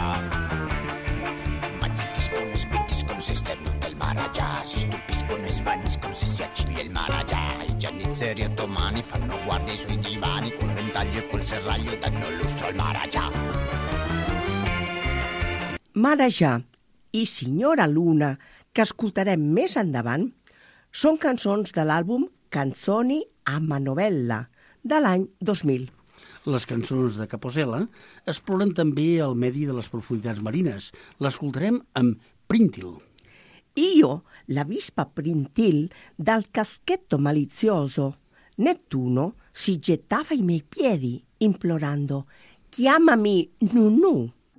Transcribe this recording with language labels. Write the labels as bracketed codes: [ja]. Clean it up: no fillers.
[it] Ma zittiscono e sbuttiscono, si sternuta il Maragia. Si stupiscono e svaniscono, se si acciglia il Maragia. I giannizzeri ottomani fanno guardia sui divani. Col ventaglio e col serraglio danno lustro al Maragia. [ca] Maragia i Signora Luna, que escoltarem més endavant, són cançons de l'àlbum Canzoni a Manovella, de l'any 2000. Les cançons de Caposella exploren també el medi de les profunditats marines. L'escoltarem amb Príntil. [it] Io, la vispa Príntil, dal caschetto malizioso, Nettuno si gettava ai miei piedi, implorando, chiamami Nunu.